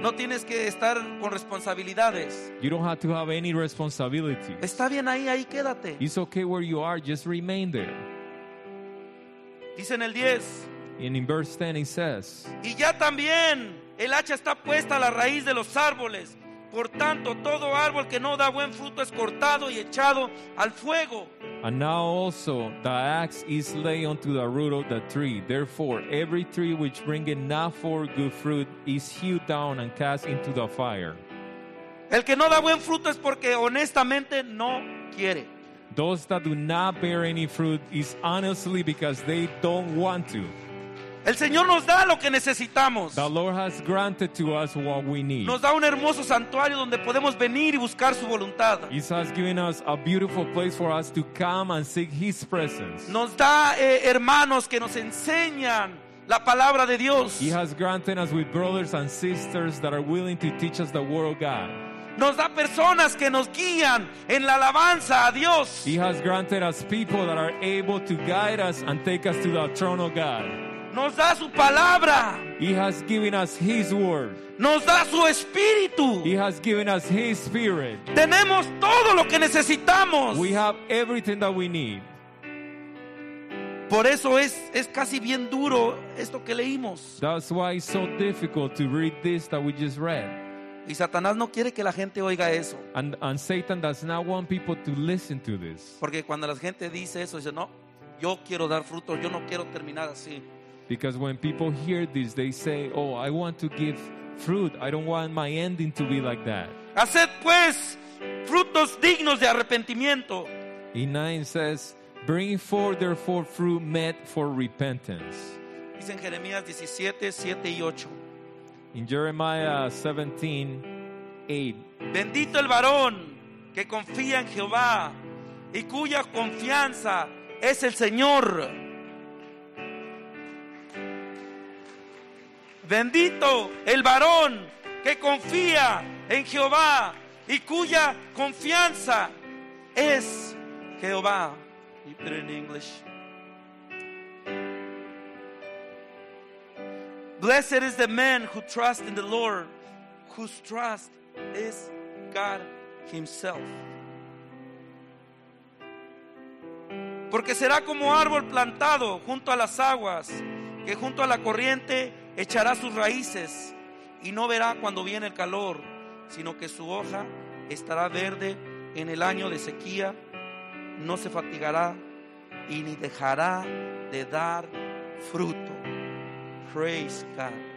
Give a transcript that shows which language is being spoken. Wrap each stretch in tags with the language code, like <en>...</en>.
<es>No tienes que estar con responsabilidades.</es> <en>You don't have to have any responsibility.</en> <es>Está bien ahí quédate.</es> <en>It's okay where you are, just remain there.</en> <es>Dice en el 10.</es> <en>And in verse 10 it says,</en> <es>y ya también el hacha está puesta a la raíz de los árboles, por tanto todo árbol que no da buen fruto es cortado y echado al fuego.</es> <en>And now also the axe is laid unto the root of the tree, therefore every tree which bringeth not forth good fruit is hewed down and cast into the fire.</en> <es>El que no da buen fruto es porque honestamente no quiere.</es> <en>Those that do not bear any fruit is honestly because they don't want to.</en> <es>El Señor nos da lo que necesitamos.</es> <en>The Lord has granted to us what we need.</en> <es>Nos da un hermoso santuario donde podemos venir y buscar su voluntad.</es> <en>He has given us a beautiful place for us to come and seek His presence.</en> <es>Nos da hermanos que nos enseñan la palabra de Dios.</es> <en>He has granted us with brothers and sisters that are willing to teach us the word of God.</en> <es>Nos da personas que nos guían en la alabanza a Dios.</es> <en>He has granted us people that are able to guide us and take us to the throne of God.</en> <es>Nos da su palabra.</es> <en>He has given us his word.</en> <es>Nos da su espíritu.</es> <en>He has given us his spirit.</en> <es>Tenemos todo lo que necesitamos.</es> <en>We have everything that we need.</en> <es>Por eso es casi bien duro esto que leímos.</es> <en>That's why it's so difficult to read this that we just read.</en> <es>Y Satanás no quiere que la gente oiga eso.</es> <en>And Satan does not want people to listen to this.</en> <es>Porque cuando la gente dice eso, dice, no, yo quiero dar fruto, yo no quiero terminar así.</es> <en>Because when people hear this, they say, oh, I want to give fruit. I don't want my ending to be like that.</en> <es>Haced pues frutos dignos de arrepentimiento.</es> <en>In 9 says, bring forth therefore fruit meet for repentance.</en> <es>Dice en Jeremías 17, 7 y 8.</es> <en>In Jeremiah 17:8.</en> <es>Bendito el varón que confía en Jehová y cuya confianza es el Señor. Bendito el varón que confía en Jehová y cuya confianza es Jehová.</es> <en>You put it in English. Blessed is the man who trusts in the Lord, whose trust is God Himself.</en> <es>Porque será como árbol plantado junto a las aguas, que junto a la corriente echará sus raíces, y no verá cuando viene el calor, sino que su hoja estará verde en el año de sequía, no se fatigará y ni dejará de dar fruto.</es> <en>Praise God.</en>